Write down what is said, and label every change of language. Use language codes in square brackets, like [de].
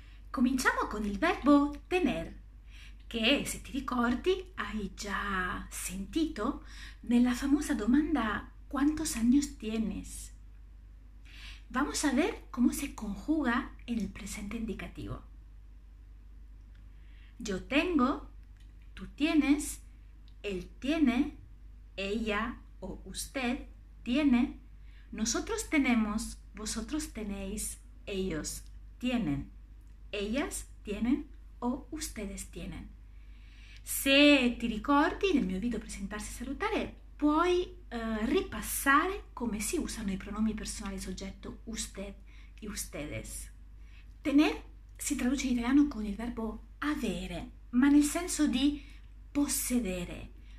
[it] Cominciamo con il verbo tener, che se ti ricordi hai già sentito nella famosa domanda [es] ¿Cuántos años tienes? Vamos a ver cómo se conjuga en el presente indicativo. Yo tengo, tú tienes, él tiene, ella o usted tiene, nosotros tenemos, vosotros tenéis, ellos tienen, ellas tienen o ustedes tienen. [it] Se ti ricordi nel mio video presentarsi e salutare, puoi ripassare come si usano i pronomi personali soggetto usted e ustedes. Tener si traduce in italiano con il verbo avere, ma nel senso di possedere.